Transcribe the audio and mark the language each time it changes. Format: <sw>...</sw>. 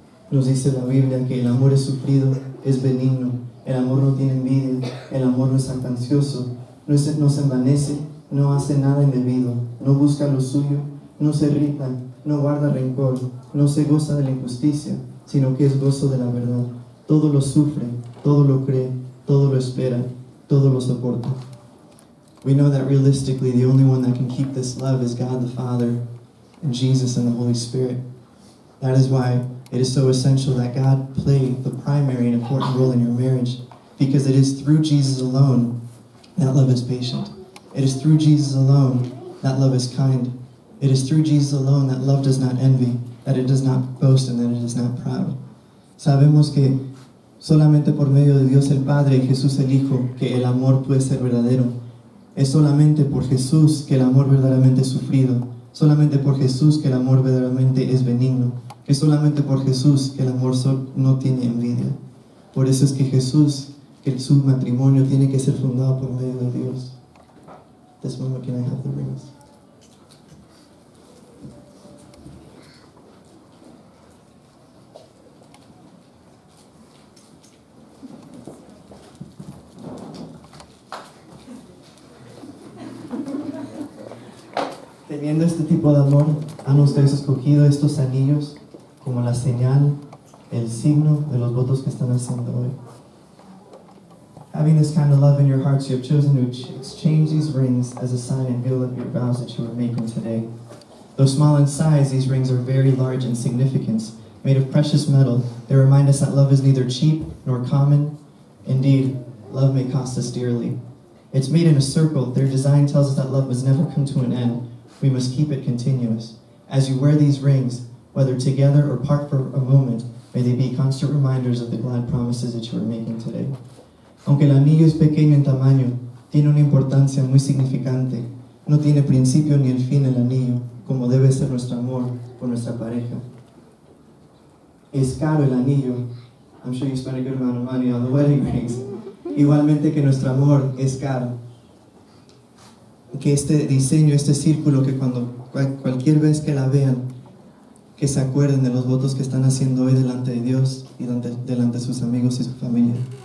<es>Nos dice la Biblia que el amor es sufrido, es benigno, el amor no tiene envidia, el amor no es jactancioso, no se envanece, no hace nada indebido, no busca lo suyo, no se irrita, no guarda rencor, no se goza de la injusticia, sino que es gozo de la verdad. Todo lo sufre, todo lo cree, todo lo espera, todo lo soporta.</es> <en>We know that realistically the only one that can keep this love is God the Father and Jesus and the Holy Spirit. That is why it is so essential that God play the primary and important role in your marriage, because it is through Jesus alone that love is patient. It is through Jesus alone that love is kind. It is through Jesus alone that love does not envy, that it does not boast, and that it is not proud.</en> <es>Sabemos que solamente por medio de Dios el Padre y Jesús el Hijo que el amor puede ser verdadero. Es solamente por Jesús que el amor verdaderamente es sufrido. Solamente por Jesús que el amor verdaderamente es benigno. Es solamente por Jesús que el amor no tiene envidia. Por eso es que Jesús, que su matrimonio tiene que ser fundado por medio de Dios.</es> <en>This moment, can I have the rings?</en> <es>Teniendo este tipo de amor, han ustedes escogido estos anillos como la señal, el signo de los votos que están haciendo hoy.</es> <en>Having this kind of love in your hearts, you have chosen to exchange these rings as a sign and veil of your vows that you are making today. Though small in size, these rings are very large in significance. Made of precious metal, they remind us that love is neither cheap nor common. Indeed, love may cost us dearly. It's made in a circle. Their design tells us that love must never come to an end. We must keep it continuous. As you wear these rings, whether together or part for a moment, may they be constant reminders of the glad promises that you are making today.</en> <es>Aunque el anillo es pequeño en tamaño, tiene una importancia muy significante. No tiene principio ni el fin el anillo, como debe ser nuestro amor por nuestra pareja. Es caro el anillo.</es> <en>I'm sure you spent a good amount of money on the wedding rings.</en> <es>Igualmente que nuestro amor es caro. Que este diseño, este círculo, que cuando cualquier vez que la vean, que se acuerden de los votos que están haciendo hoy delante de Dios y delante de sus amigos y su familia.</es>